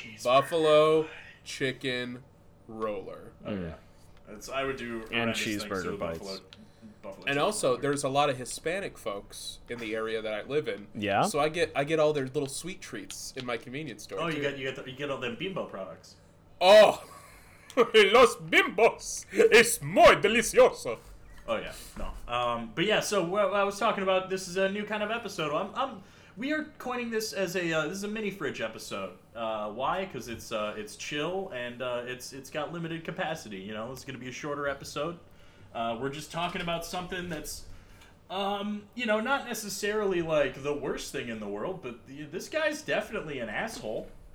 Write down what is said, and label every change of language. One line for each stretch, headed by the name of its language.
English: Buffalo Chicken Roller. Oh, yeah. I would do and cheeseburger bites. And also, there's a lot of Hispanic folks in the area that I live in. Yeah. So I get all their little sweet treats in my convenience store. Oh, too. you get all them Bimbo products.
Spanish: Oh, los Bimbos, es muy delicioso.
English: Oh yeah, no. But yeah, so I was talking about this is a new kind of episode. We are coining this as a mini fridge episode. Why? Because it's chill and it's got limited capacity. You know, it's going to be a shorter episode. We're just talking about something that's, you know, not necessarily like the worst thing in the world, but this guy's definitely an asshole.